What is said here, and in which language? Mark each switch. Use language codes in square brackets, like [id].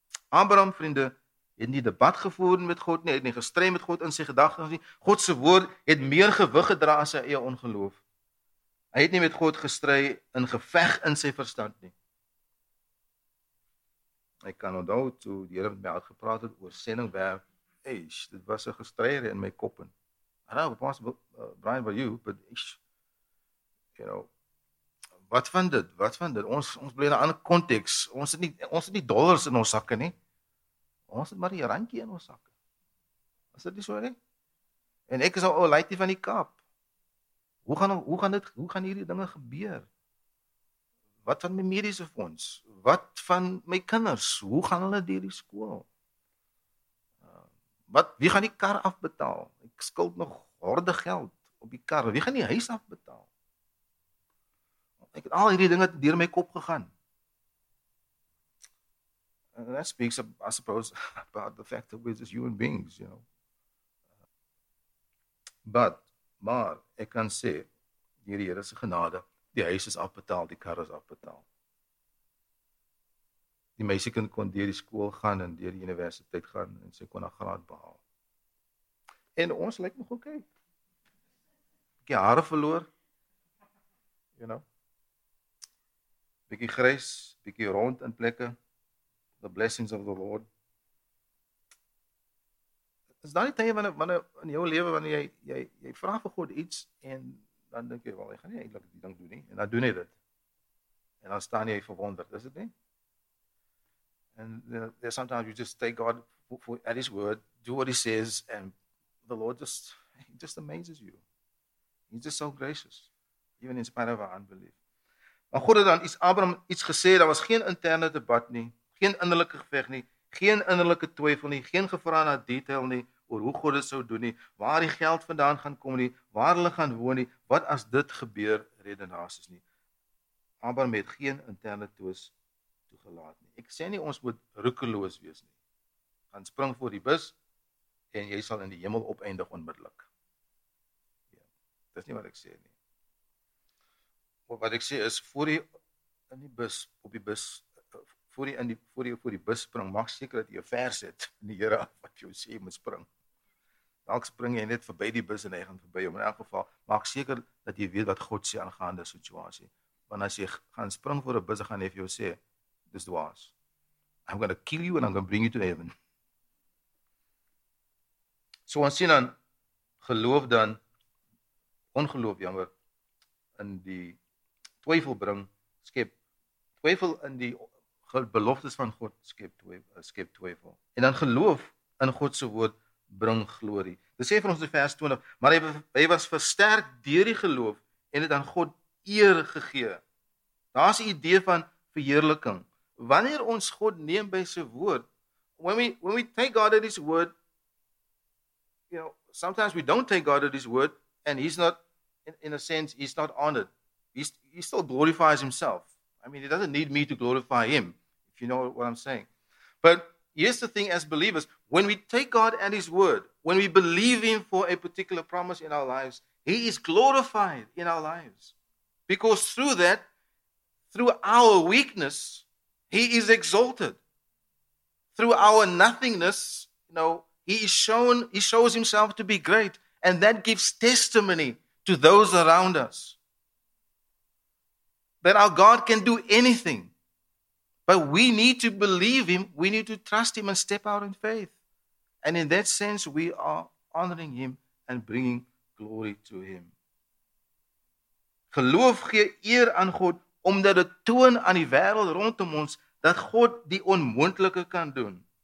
[af] Abraham, vriende, het nie debat gevoer met God nie, het nie gestry met God in sy gedagtes nie. God se woord het meer gewig gedra as sy eie ongeloof. Hy het nie met God gestry in geveg in sy verstand nie. Ek kan onthou toe die Here met my al gepraat het oor sendingwerk. Eish, dit was 'n gestryde in my kop. [en] I don't know, possible, Brian, by you, but eish, you know, [af] wat van dit? Ons bly in 'n ander konteks. Ons het nie dollars in ons sakke nie. Ons het maar die randjie in ons sakke. Is dit nie so nie? En ek is al oulike van die Kaap. Hoe gaan hierdie dinge gebeur? Wat van my mediese fonds? Wat van my kinders? Hoe gaan hulle deur die skool? Wie gaan die kar afbetaal? Ek skuld nog horde geld op die kar. Wie gaan die huis afbetaal? Ek het al hierdie dinge deur my kop gegaan. [en] And that speaks, I suppose, about the fact that we're just human beings, you know. [af] Maar ek kan sê, deur die Here se genade, die huis is afbetaal, die kar is afbetaal. Die meisiekind kon deur die skool gaan en deur die universiteit gaan en sy kon 'n graad behaal. En ons lyk nog oké. Bietjie hare verloor. [en] You know. [af] Bietjie grys, bietjie rond in plekke. [en] The blessings of the Lord. [af] Is daar nie tye wanneer in jou lewe wanneer jy vra vir God iets en dan dink jy, wel, ek gaan nie eintlik die ding doen nie. En dan doen jy dit. En dan staan jy verwonderd, is dit nie? [en] And there sometimes you just take God at his word, do what he says, and the Lord just amazes you. He's just so gracious, even in spite of our unbelief. [af] Maar God het dan iets, Abraham iets gesê, daar was geen interne debat nie, geen innerlijke geveg nie, geen innerlijke twyfel nie, geen gevra na detail nie, oor hoe God dit sou doen nie, waar die geld vandaan gaan kom nie, waar hulle gaan woon nie, wat as dit gebeur, redenasies nie. Abraham het geen interne twis toegelaat nie. Ek sê nie ons moet roekeloos wees nie. Gaan spring voor die bus en jy sal in die hemel opeindig onmiddellik. Ja, dis nie wat ek sê nie. Wat ek sê is voor jy in die bus op die bus voor die bus spring, maak seker dat jy 'n vers het in die Here af wat jou sê jy moet spring. Dalk spring jy net verby die bus en hy gaan verby jou. In elk geval, maak seker dat jy weet wat God sê aangaande die situasie. Want as jy gaan spring voor 'n bus, gaan hy vir jou sê dis dwaas. [en] I'm going to kill you and I'm going to bring you to heaven. [af] So ons sien dan geloof dan ongeloof jammer in die twyfel bring skep twyfel in die beloftes van God skep twyfel. En dan geloof in God se woord bring glorie. Dit sê vir ons in vers 20, maar hy was versterk deur die geloof en het aan God eer gegee. Daar's 'n idee van verheerliking. Wanneer ons God neem by sy woord, [en] when we take God at his word, you know, sometimes we don't take God at his word and he's not, in a sense, he's not honored. He still glorifies himself. I mean, he doesn't need me to glorify him, if you know what I'm saying. But here's the thing as believers, when we take God at his word, when we believe him for a particular promise in our lives, he is glorified in our lives. Because through that, through our weakness, he is exalted. Through our nothingness, you know, he shows himself to be great, and that gives testimony to those around us that our God can do anything, but we need to believe him, we need to trust him and step out in faith. And in that sense, we are honoring him and bringing glory to him. [af] Geloof gee eer aan God, omdat het toon aan die wereld rondom ons, dat God die onmoontlike kan doen.